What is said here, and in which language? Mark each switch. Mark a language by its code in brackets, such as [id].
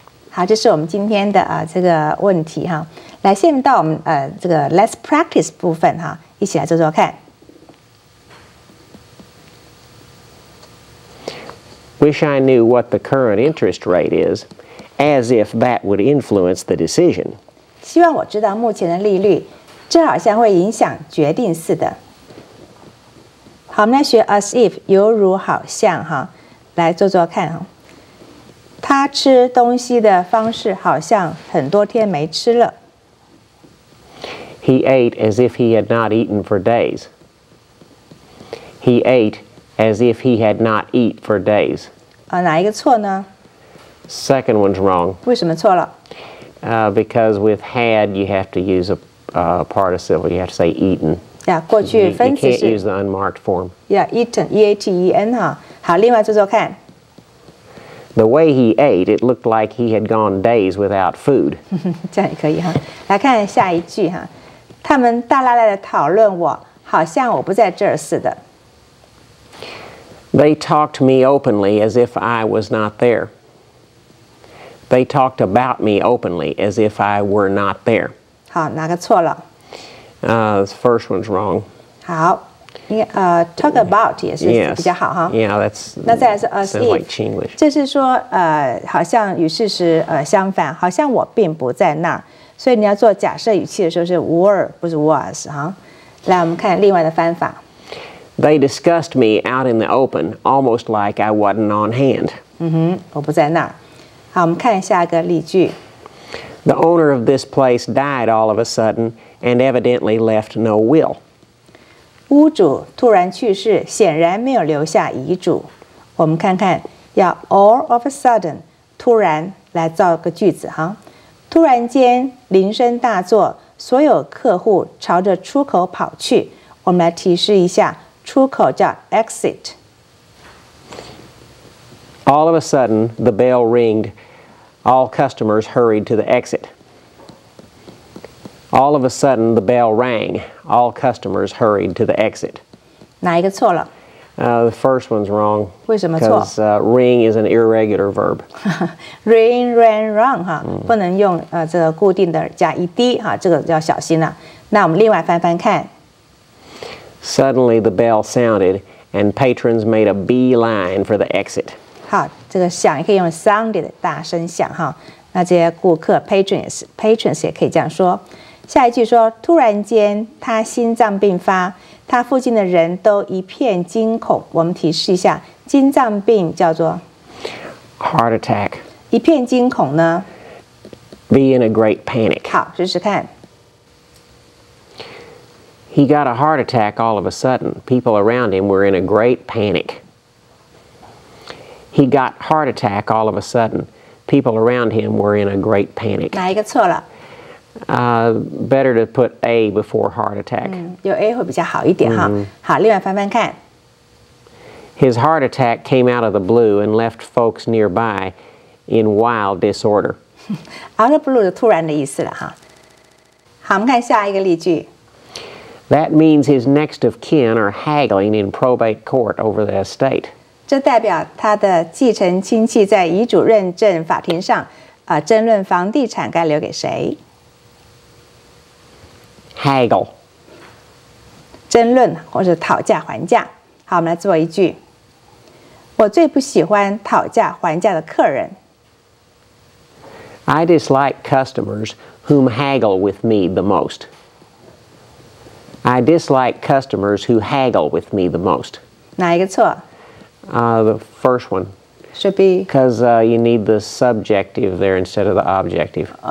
[zh] 好，这是我们今天的这个问题哈。来，下面到我们这个 [en] let's practice [zh] 部分哈，一起来做做看。 [en] Wish I knew what the current interest rate is, as if that would influence the decision. [zh] 希望我知道目前的利率，这好像会影响决定似的。好，我们来学 [en] as if [zh] 犹如好像哈，来做做看哈。他吃东西的方式好像很多天没吃了。 [en] He ate as if he had not eaten for days. He ate as if he had not eaten for days. [zh] 哪一个错呢 [en] ？Second one's wrong. [zh] 为什么错了 [en] ？Because with had you have to use a participle. You have to say eaten. Yeah, [zh] 过去分词是。 [en] You can't use the unmarked form. Yeah, eaten, [zh] E-A-T-E-N 哈。好，另外做做看。 [en] The way he ate, it looked like he had gone days without food. [zh] 这样也可以哈。来看下一句哈，他们大大的讨论我，好像我不在这儿似的。 [en] They talked me openly as if I was not there. They talked about me openly as if I were not there. [zh] 好，哪个错了？ [en] The first one's wrong. [zh] 好。 [en] talk about [zh] 也是比较好哈。 [en] Yeah, that's as if. [zh] 这是说好像与事实相反，好像我并不在那儿。所以你要做假设语气的时候是 were 不是 was 哈。来，我们看另外的方法。 [en] They discussed me out in the open, almost like I wasn't on hand. [zh] 我不在那儿。好，我们看下一个例句。 [en] The owner of this place died all of a sudden and evidently left no will. [zh] 屋主突然去世，显然没有留下遗嘱。我们看看，要 [en] all of a sudden [zh] 突然来造个句子哈。突然间铃声大作，所有客户朝着出口跑去。我们来提示一下，出口叫 exit。 [en] All of a sudden, the bell ringed. All customers hurried to the exit. All of a sudden, the bell rang. All customers hurried to the exit. [zh] 哪一个错了？ [en] The first one's wrong. [zh] 为什么错？ [en] Because ring is an irregular verb. Ring, rang, rung, [zh] 哈，不能用这个固定的加 ed 哈，这个要小心了。那我们另外翻翻看。 [en] Suddenly, the bell sounded, and patrons made a beeline for the exit. [zh] 好，这个响也可以用 sounded 大声响哈。那这些顾客 patrons 也可以这样说。下一句说，突然间他心脏病发，他附近的人都一片惊恐。我们提示一下，心脏病叫做 [en] heart attack。 [zh] 一片惊恐呢 [en] ？Be in a great panic。 [zh] 好，试试看。 [en] He got a heart attack all of a sudden. People around him were in a great panic. He got heart attack all of a sudden. People around him were in a great panic. [zh] 哪一个错了？ [en] Better to put A before heart attack. [zh] 有 A 会比较好一点哈。好，另外翻翻看。 [en] His heart attack came out of the blue and left folks nearby in wild disorder. Out of blue [zh] 就突然的意思了哈。好，我们看下一个例句。 [en] That means his next of kin are haggling in probate court over the estate. [zh] 这代表他的继承亲戚在遗嘱认证法庭上，争论房地产该留给谁。 [en] Haggle， [zh] 争论或者讨价还价。好，我们来做一句。我最不喜欢讨价还价的客人。 [en] I dislike customers whom haggle with me the most. I dislike customers who haggle with me the most. [zh] 哪一个错？ [en] The first one should be because you need the subjective there instead of the objective.